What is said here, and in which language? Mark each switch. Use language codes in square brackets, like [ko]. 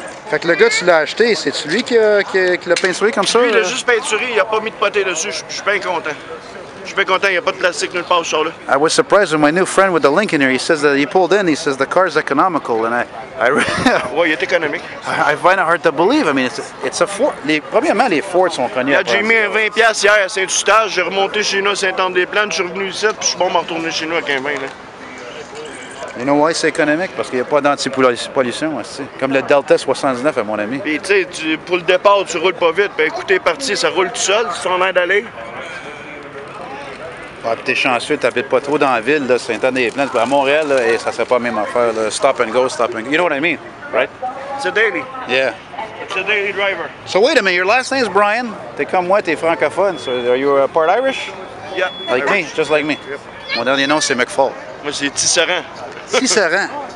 [fr] Fait que le gars, tu l'as acheté, c'est lui qui l'a peinturé comme ça? Lui, il a juste peinturé, il a pas mis de poté dessus, je suis bien content. Je suis bien content, il n'y a pas de plastique nulle part sur là. [en] I was surprised when my new friend with the Lincoln here, he says that he pulled in, he says the car is economical, and I [fr] ouais, il est économique. [en] I find it hard to believe, I mean, it's a Ford. [fr] Premièrement, les Ford sont connus. J'ai mis un 20$ hier à Saint-Eustache, j'ai remonté chez nous à Saint-Anne-des-Plaines, je suis revenu ici, puis je suis bon, m'en retourner chez nous avec un 20$. [en] You know why [fr] c'est économique? Parce qu'il n'y a pas d'antipollution, tu sais. Comme le Delta 79, à mon ami. Puis tu sais, pour le départ, tu roules pas vite. Ben écoute, t'es parti, ça roule tout seul, sans l'air d'aller. Ah, puis t'es chanceux, t'habites pas trop dans la ville, là, Saint-Anne-des-Plaines. À Montréal, là, ça serait pas la même affaire, là. [en] Stop and go, stop and go. You know what I mean? Right? It's a daily. Yeah. It's a daily driver. So wait a minute, your last name's Brian. [fr] T'es comme moi, t'es francophone. [en] So are you part Irish? Yeah. Like Irish. Me, just like me. Yep. [fr] Mon dernier nom, c'est McFall. Moi, c'est Tisserin. Tisserin.